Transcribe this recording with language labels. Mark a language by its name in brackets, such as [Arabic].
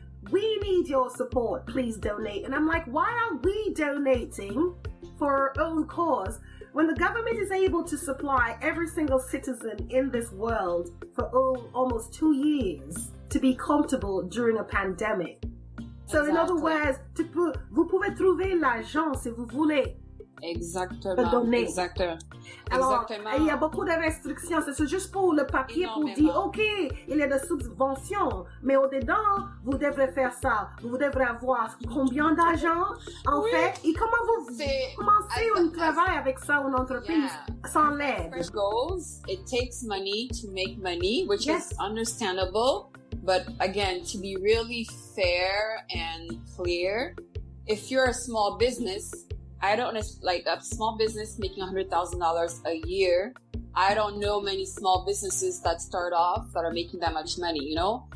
[English] We need your support, please donate. And I'm like, why are we donating for our own cause when the government is able to supply every single citizen in this world for almost 2 years to be comfortable during a pandemic? So exactly. In other words, [French] vous pouvez trouver l'argent si vous voulez. Exactement. Donner. Exactement. Il y a beaucoup de restrictions. C'est juste pour le papier. Énormément. Pour dire, OK, il y a des subventions, mais au-dedans, vous devrez faire ça. Vous devrez avoir combien d'argent, en fait. Et comment vous commencez un travail avec ça, une entreprise, sans l'aide? [English] First goals, it takes money to make money, which is understandable. But again, to be really fair and clear, if you're a small business, a small business making $100,000 a year, I don't know many small businesses that start off that are making that much money, you know?